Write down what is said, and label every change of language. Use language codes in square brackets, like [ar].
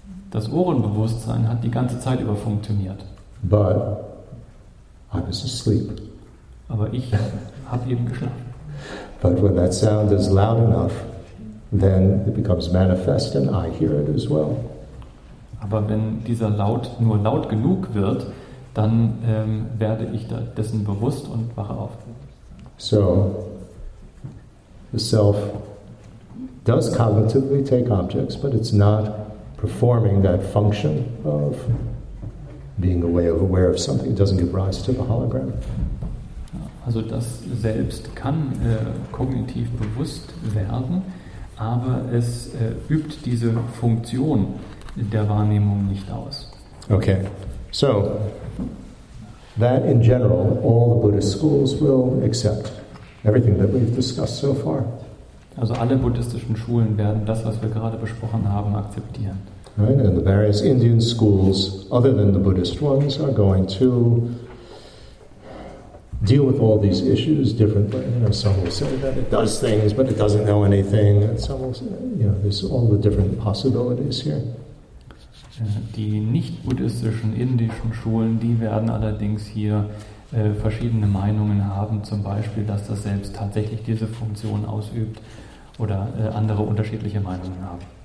[de] Das Ohrenbewusstsein hat die ganze Zeit über funktioniert. [en] But I was asleep. [de] Aber ich habe eben geschlafen. [en] But when that sound is loud enough, then it becomes manifest and I hear it as well. [de] Aber wenn dieser Laut nur laut genug wird, dann werde ich dessen bewusst und wache auf. [en] So, the self does cognitively take objects, but it's not performing that function of being aware of something. It doesn't give rise to the hologram. [de] Also das Selbst kann kognitiv bewusst werden, aber es übt diese Funktion der Wahrnehmung nicht aus. [en] Okay, so that in general all the Buddhist schools will accept everything that we've discussed so far. [de] Also alle buddhistischen Schulen werden das, was wir gerade besprochen haben, akzeptieren. [en] Right, and the various Indian schools, other than the Buddhist ones, are going to deal with all these issues differently. You know, some will say that it does things, but it doesn't know anything. And some will say, you know, there's all the different possibilities here. [de] Die nicht-buddhistischen indischen Schulen, die werden allerdings hier verschiedene Meinungen haben, zum Beispiel, dass das Selbst tatsächlich diese Funktion ausübt oder andere unterschiedliche Meinungen haben.